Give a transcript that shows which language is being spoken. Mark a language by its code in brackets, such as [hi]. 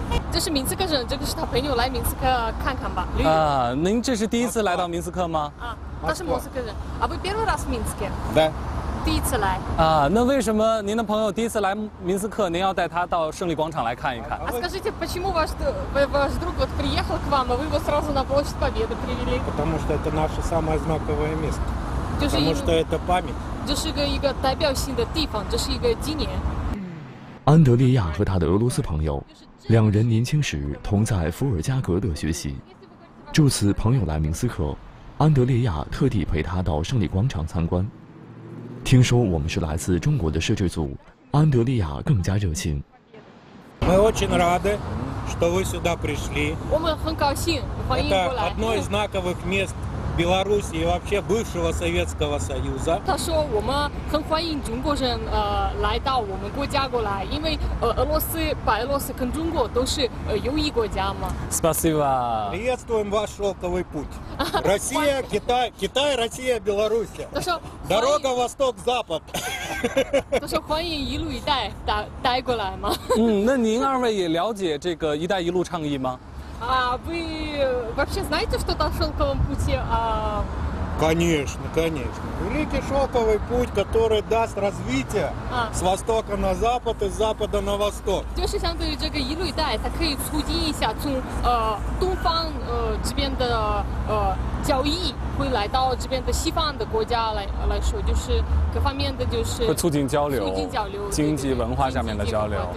[zh] 这是明斯克人，这个是他朋友来明斯克看看吧。啊，您这是第一次来到明斯克吗？啊，他是莫斯科人，啊不，别罗拉斯明斯克。对，第一次来。啊，那为什么您的朋友第一次来明斯克，您要带他到胜利广场来看一看？ [ru] Скажите, почему ваш друг приехал к вам, а вы его сразу на площадь Победы привели? Потому что это наше самое знаковое место. Потому что это память. [zh] 这是一个代表性的地方，这是一个纪念。安德烈亚和他的俄罗斯朋友，两人年轻时同在伏尔加格勒学习。这次朋友来明斯克，安德烈亚特地陪他到胜利广场参观。听说我们是来自中国的摄制组，安德烈亚更加热情。我们很高兴欢迎过来。 [ru] Одно из знаковых мест Беларуси и вообще бывшего Советского Союза. [zh] 他说我们很欢迎中国人来到我们国家过来，因为俄罗斯、白俄罗斯跟中国都是友谊国家嘛。 [ru] Спасибо. Приветствуем ваш шелковый путь. Россия, Китай, Россия, Беларусь. [zh] 他说 [ru] дорога Восток-Запад. [zh] 他说欢迎一路一带带过来嘛。那您二位也了解这个“一带一路”倡议吗？ [ru] А вы вообще знаете, что там в шелковом пути? Конечно, конечно. Великий шелковый путь, который даст развитие с востока на запад и с запада на восток. [zh] 就是相对于这个一路一带，它可以促进一下从东方这边的交易，会来到这边的西方的国家来说，就是各方面的就是会促进交流，促进交流，经济文化上面的交流。